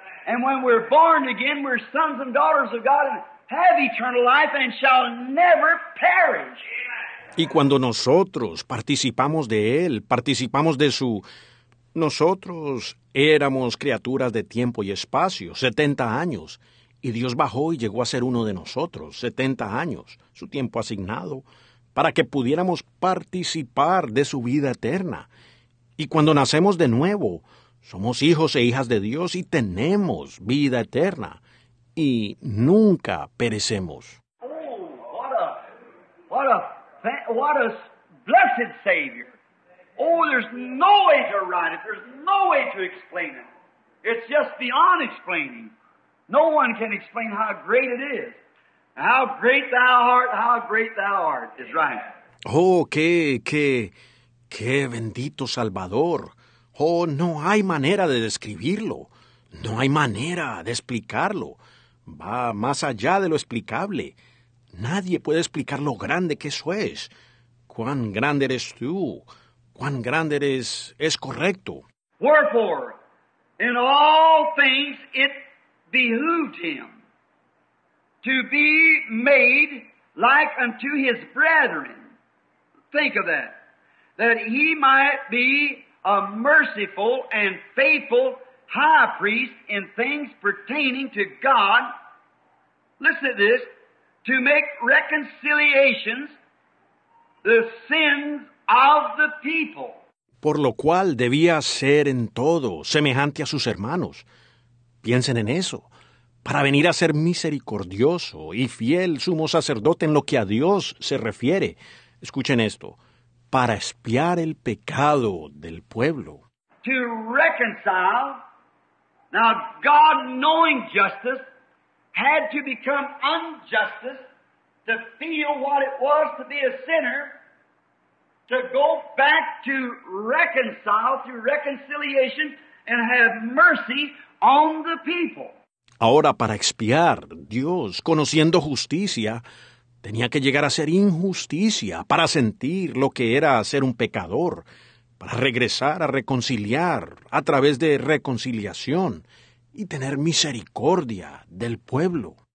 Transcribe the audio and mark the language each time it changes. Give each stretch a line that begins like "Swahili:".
English: And when we're born again, we're sons and daughters of God and have eternal life and shall never perish.
Spanish: Y cuando nosotros participamos de él, participamos de su... Nosotros éramos criaturas de tiempo y espacio, 70 años, y Dios bajó y llegó a ser uno de nosotros, 70 años, su tiempo asignado, para que pudiéramos participar de su vida eterna. Y cuando nacemos de nuevo, somos hijos e hijas de Dios y tenemos vida eterna, y nunca perecemos.
English: Oh, what a blessed Savior. Oh, there's no way to write it. There's no way to explain it. It's just beyond explaining. No one can explain how great it is. How great thou art, how great thou art, is right.
Spanish: Oh, qué bendito Salvador. Oh, no hay manera de describirlo. No hay manera de explicarlo. Va más allá de lo explicable. Nadie puede explicar lo grande que eso es. Cuán grande eres tú. Cuán grande eres es correcto.
English: Wherefore, in all things it behooved him to be made like unto his brethren. Think of that. That he might be a merciful and faithful high priest in things pertaining to God. Listen to this. To make reconciliations the sins of the people.
Spanish: Por lo cual debía ser en todo semejante a sus hermanos. Piensen en eso. Para venir a ser misericordioso y fiel sumo sacerdote en lo que a Dios se refiere. Escuchen esto. Para expiar el pecado del pueblo.
English: To reconcile. Now, God knowing justice had to become injustice to feel what it was to be a sinner, to go back to reconcile through reconciliation and have mercy on the people.
Spanish: Ahora, para expiar, Dios, conociendo justicia, tenía que llegar a ser injusticia para sentir lo que era ser un pecador, para regresar a reconciliar a través de reconciliación y tener misericordia del pueblo.